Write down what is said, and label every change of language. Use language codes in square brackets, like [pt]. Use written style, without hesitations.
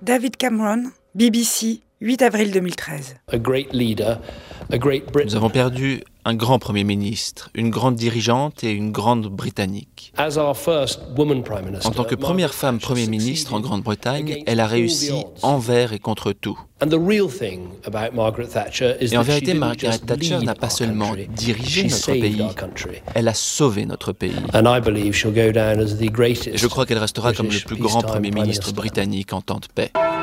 [fr] David Cameron, BBC, 8 avril 2013. [en] A great leader. A great Brit- [fr] Nous avons perdu un grand Premier ministre, une grande dirigeante et une grande Britannique. [en] As our first woman Prime Minister, [fr] en tant que première femme Premier ministre en Grande-Bretagne, elle a réussi envers et contre tout. [en] And the real thing about Margaret Thatcher is [fr] et en vérité, Margaret Thatcher n'a pas seulement dirigé notre pays, elle a sauvé notre pays. [en] And I believe she'll go down as the greatest [fr] et je crois qu'elle restera [en] British [fr] comme le plus grand Premier ministre britannique en temps de paix.